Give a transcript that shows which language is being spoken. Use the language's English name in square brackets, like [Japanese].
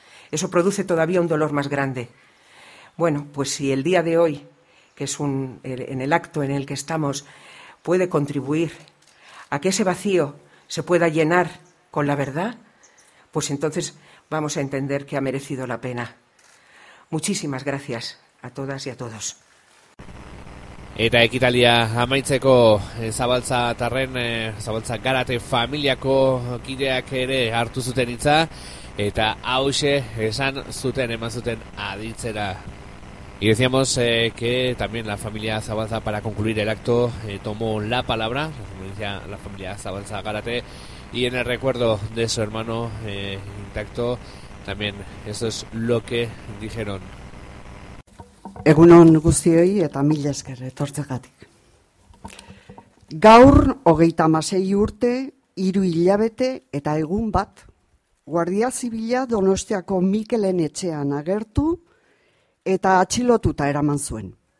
[Spanish] Eso produce todavía un dolor más grande. Bueno, pues si el día de hoy, que es en el acto en el que estamos, puede contribuir a que ese vacío se pueda llenar con la verdad, pues entonces vamos a entender que ha merecido la pena. Muchísimas gracias a todas y a todos. [Basque] Eta ekitalia amaitzeko Zabaltza Garate familiako kideak ere hartu zuten hitza eta hauxe esan zuten, eman zuten aditzera. [Spanish] Y decíamos que también la familia Zabaltza, para concluir el acto, tomó la palabra, como decía la familia Zabaltza Garate, y en el recuerdo de su hermano intacto, también eso es lo que dijeron. [Basque] Egunon guztioi eta mila esker etortzegatik. Gaur, 36 urte, 3 hilabete eta egun bat, Guardia Zibila Donostiako Mikelen etxean agertu eta atxilotuta eraman zuen.